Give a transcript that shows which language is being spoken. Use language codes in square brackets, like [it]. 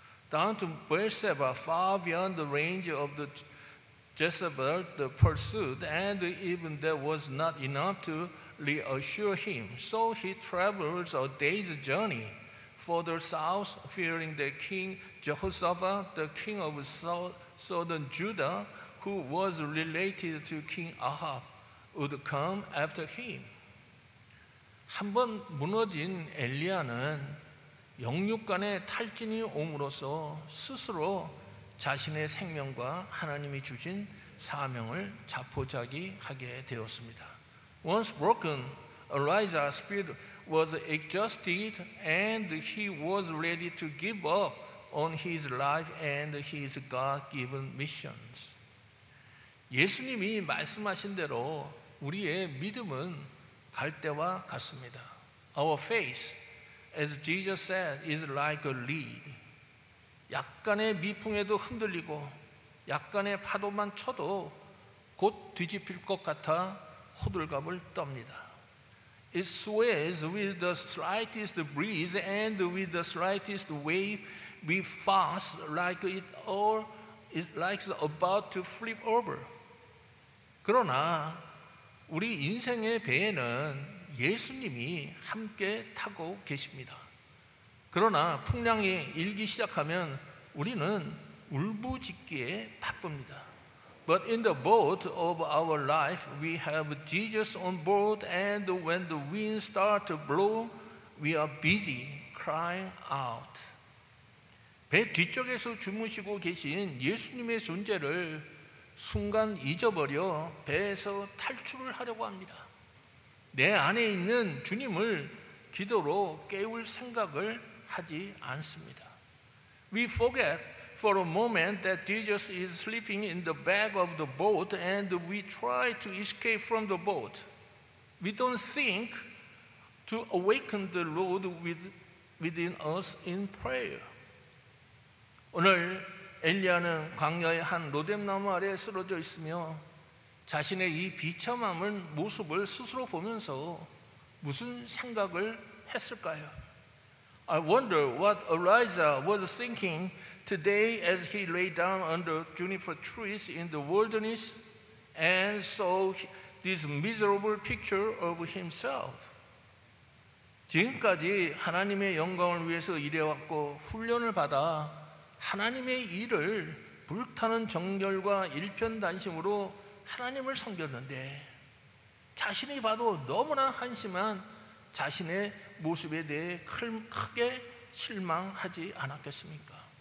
[en] Down to Beersheba, far beyond the range of the Jezebel the pursued, and even that was not enough to reassure him. So he travels a day's journey further south, fearing that King Jehoshaphat, the king of southern Judah, who was related to King Ahab, would come after him. [ko] 한번 무너진 엘리야는 영육간의 탈진이 옴으로써 스스로 자신의 생명과 하나님이 주신 사명을 자포자기하게 되었습니다. [en] Once broken, Elijah's spirit was exhausted and he was ready to give up on his life and his God-given missions. [ko] 예수님이 말씀하신 대로 우리의 믿음은 갈대와 같습니다. [en] Our faith, as Jesus said, is like a reed. [ko] 약간의 미풍에도 흔들리고 약간의 파도만 쳐도 곧 뒤집힐 것 같아 호들갑을 떱니다. [en] It sways with the slightest breeze and with the slightest wave we fast like it all is like about to flip over. [ko] 그러나 우리 인생의 배에는 예수님이 함께 타고 계십니다. 그러나 풍랑이 일기 시작하면 우리는 울부짖기에 바쁩니다. [en] But in the boat of our life, we have Jesus on board, and when the wind starts to blow, we are busy crying out. [ko] 배 뒤쪽에서 주무시고 계신 예수님의 존재를 순간 잊어버려 배에서 탈출을 하려고 합니다. 내 안에 있는 주님을 기도로 깨울 생각을 하지 않습니다. [en] We forget for a moment that Jesus is sleeping in the back of the boat and we try to escape from the boat. We don't think to awaken the Lord with within us in prayer. [ko] 오늘 엘리야는 광야의 한 로뎀나무 아래에 쓰러져 있으며 자신의 이 비참한 모습을 스스로 보면서 무슨 생각을 했을까요? [en] I wonder what Elijah was thinking today as he lay down under juniper trees in the wilderness and saw this miserable picture of himself. [ko] 지금까지 하나님의 영광을 위해서 일해왔고 훈련을 받아 하나님의 일을 불타는 정결과 일편단심으로 하나님을 섬겼는데 자신이 봐도 너무나 한심한 자신의 모습에 대해 크게 실망하지 않았겠습니까?